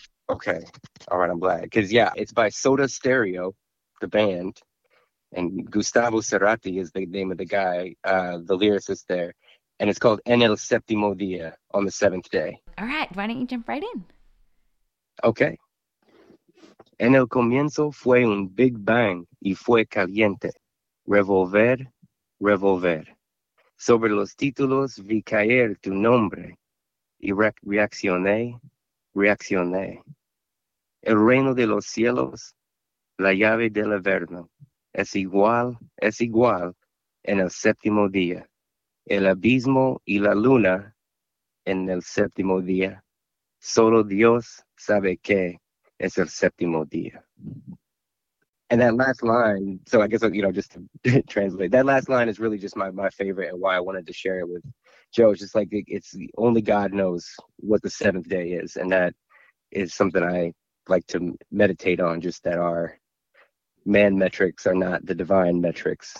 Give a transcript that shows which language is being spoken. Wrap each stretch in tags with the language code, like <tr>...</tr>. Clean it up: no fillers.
<en>Okay. All right, I'm glad. Because, yeah, it's by Soda Stereo, the band, and Gustavo Cerati is the name of the guy, the lyricist there. And it's called En el Séptimo Día, on the seventh day. All right, why don't you jump right in? Okay.</en> <es>En el comienzo fue un big bang y fue caliente. Revolver, revolver. Sobre los títulos vi caer tu nombre y reaccioné, reaccioné. El reino de los cielos, la llave del averno, es igual en el séptimo día. El abismo y la luna en el séptimo día. Solo Dios sabe que es el séptimo día.</es> <en>And that last line, so I guess, you know, just to translate, that last line is really just my favorite and why I wanted to share it with Joe. It's just like, it's only God knows what the seventh day is. And that is something I like to meditate on, just that our man metrics are not the divine metrics.</en>